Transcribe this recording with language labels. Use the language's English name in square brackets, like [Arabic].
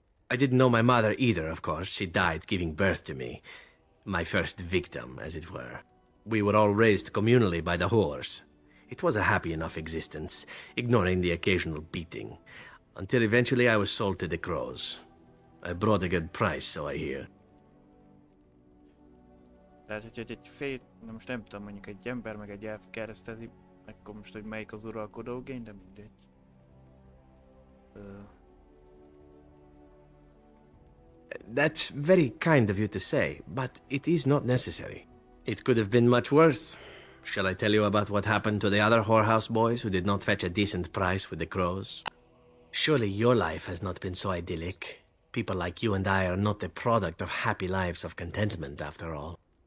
[English] I didn't know my mother either, of course. She died giving birth to me. My first victim, as it were. We were all raised communally by the whores. It was a happy enough existence, ignoring the occasional beating. Until eventually I was sold to the crows. I brought a good price, so I hear. [Hungarian] Tehát, hogy egy fél, na most nem tudom, mondjuk egy ember meg egy elf keresztezi, akkor most, hogy melyik az uralkodó gény, de mindegy. [English] That's very kind of you to say, but it is not necessary. It could have been much worse. Shall I tell you about what happened to the other whorehouse boys who did not fetch a decent price with the crows? Surely your life has not been so idyllic. People like you and I are not the product of happy lives of contentment, after all.